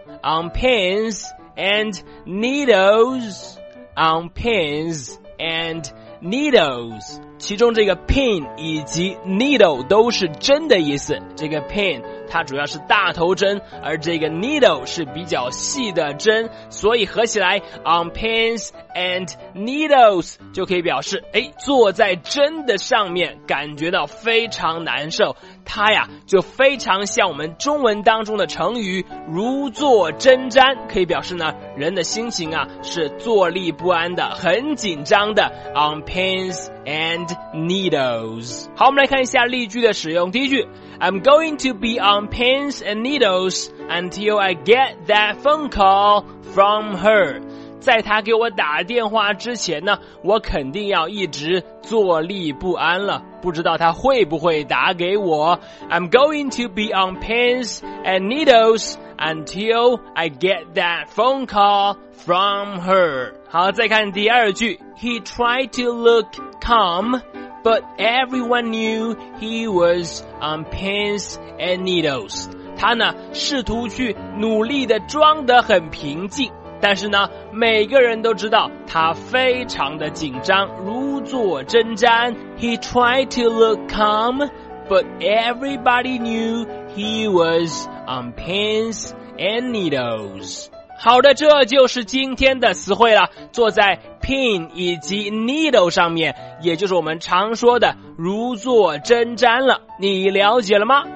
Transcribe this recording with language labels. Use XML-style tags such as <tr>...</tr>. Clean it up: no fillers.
<zh>On pins and needles On pins and needles 其中这个 pin 以及 needle 都是针的意思，这个 pin它主要是大头针，而这个 needle 是比较细的针，所以合起来 on pins and needles 就可以表示，哎，坐在针的上面感觉到非常难受，它呀就非常像我们中文当中的成语如坐针毡，可以表示呢人的心情啊是坐立不安的，很紧张的 on pins and needles。好，我们来看一下例句的使用。第一句，</zh> <en>I'm going to be on pins and needles until I get that phone call from her。</en> <zh>在她给我打电话之前呢，我肯定要一直坐立不安了，不知道她会不会打给我。</zh> <en>I'm going to be on pins and needles until I get that phone call from her。</en> <zh>好，再看第二句，</zh> <en>He tried to look calm but everyone knew he was on pins and needles。</en> <zh>他呢试图去努力的装得很平静，但是呢每个人都知道他非常的紧张，如坐针毡。</zh> <en>He tried to look calm but everybody knew he was on pins and needles。</en> <zh>好的，这就是今天的词汇了，坐在pin 以及 needle 上面，也就是我们常说的如坐针毡了，你了解了吗？</zh>